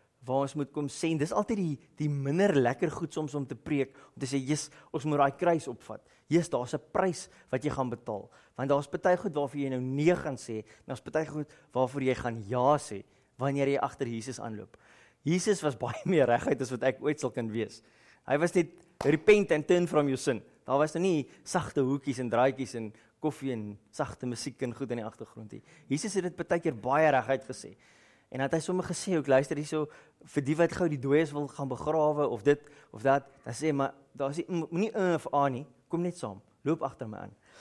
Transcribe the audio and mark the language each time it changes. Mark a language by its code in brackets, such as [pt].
[af] Waar ons moet kom sê, dis altyd die minder lekker goed soms om te preek, om te sê, "Jesus, ons moet daai kruis opvat." Jesus, daar's 'n prys wat jy gaan betaal. Want daar's baie goed waarvoor jy nou nee gaan sê, en daar's baie goed waarvoor jy gaan ja sê wanneer jy agter Jesus aanloop. Jesus was baie meer reguit as wat ek ooit sal kan wees. Hy was net [en] repent and turn from your sin. [af] Daar was nou nie sagte hoekies en draadjies en koffie en sagte musiek en goed in die agtergrond nie. Jesus het dit baie keer baie reguit gesê. En het hy sommer gesê, ek luister hierso, vir die wat gou die dooies wil gaan begrawe, of dit, of dat, dan sê, maar daar is nie een of aan nie, kom net saam, loop achter my aan.